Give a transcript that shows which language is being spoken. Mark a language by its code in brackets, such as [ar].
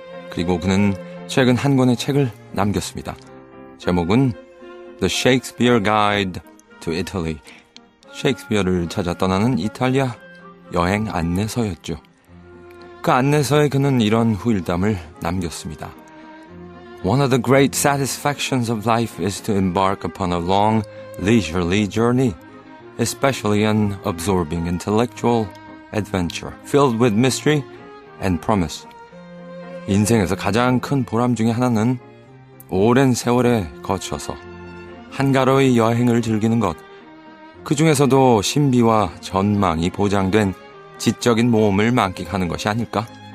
[ko] 그리고 그는 최근 한 권의 책을 남겼습니다. 제목은 The Shakespeare Guide to Italy. 셰익스피어를 찾아 떠나는 이탈리아 여행 안내서였죠. 그 안내서에 그는 이런 후일담을 남겼습니다. [en] One of the great satisfactions of life is to embark upon a long, leisurely journey, especially an absorbing intellectual adventure filled with mystery and promise. [ko] 인생에서 가장 큰 보람 중에 하나는 오랜 세월에 거쳐서 한가로이 여행을 즐기는 것. 그 중에서도 신비와 전망이 보장된 지적인 모험을 만끽하는 것이 아닐까?